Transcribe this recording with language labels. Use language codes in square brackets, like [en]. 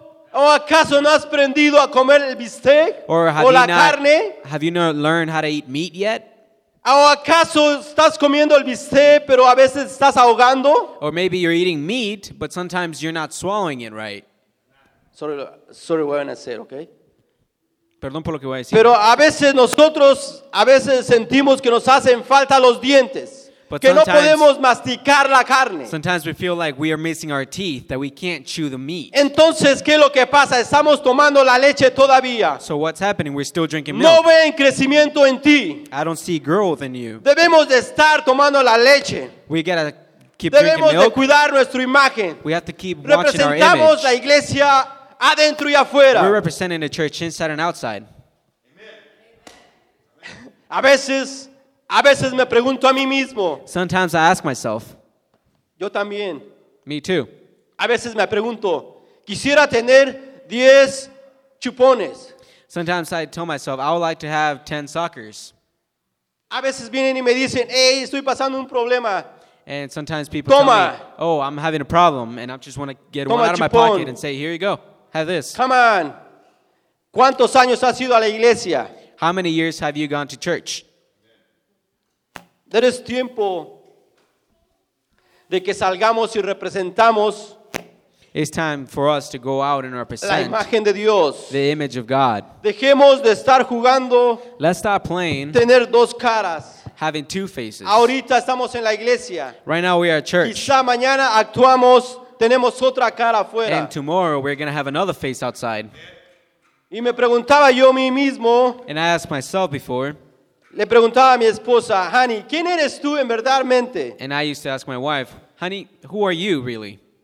[es] ¿O acaso no has aprendido a comer el bistec o la carne? [en] Have you not learned how to eat meat yet? [es] ¿O acaso estás comiendo el bistec pero a veces estás ahogando? [en] Or maybe you're eating meat, but sometimes you're not swallowing it right. Sorry, what I'm going to say, okay? [es] Perdón por lo que voy a decir. Pero a veces nosotros, a veces sentimos que nos hacen falta los dientes. [en] But [es] que no podemos masticar la carne. [en] Sometimes we feel like we are missing our teeth, that we can't chew the meat. [es] Entonces, ¿qué es lo que pasa? Estamos tomando la leche todavía. [en] So what's happening? We're still drinking [es] no No ven crecimiento en ti. [en] I don't see growth in you. [es] Debemos de estar tomando la leche. [en] We gotta keep [es] Debemos [en] drinking [es] de [en] milk. [es] Cuidar nuestra imagen. [en] We have to keep watching our image. [es] Representamos la iglesia adentro y afuera. [en] We're representing the church inside and outside. [es] Amen. A veces me pregunto a mí mismo. [en] Sometimes I ask myself. [es] Yo también. [en] Me too. [es] A veces me pregunto, quisiera tener 10 chupones. [en] Sometimes I tell myself, I would like to have 10 suckers. [es] A veces vienen y me dicen, hey, estoy pasando un problema. [en] And sometimes people [es] Toma. [en] Tell me, oh, I'm having a problem, and I just want to get [es] Toma [en] one out [es] chupon. [en] Of my pocket and say, here you go, have this. Come on. [es] ¿Cuántos años has ido a la iglesia? [en] How many years have you gone to church? [es] Es tiempo de que salgamos y representamos. [en] It's time for us to go out and represent [es] la imagen de Dios. [en] The image of God. [es] Dejemos de estar jugando. [en] Let's stop playing. [es] Tener dos caras. [en] Having two faces. [es] Ahorita estamos en la iglesia. [en] Right now we are at church. [es] Quizá mañana actuamos, tenemos otra cara afuera. [en] And tomorrow we're going to have another face outside. [es] Y me preguntaba yo a mí mismo. [en] And I asked myself before. [es] Le preguntaba a mi esposa, Honey, ¿quién eres tú en verdadmente? [en] And I used to ask my wife, Honey, who are you really?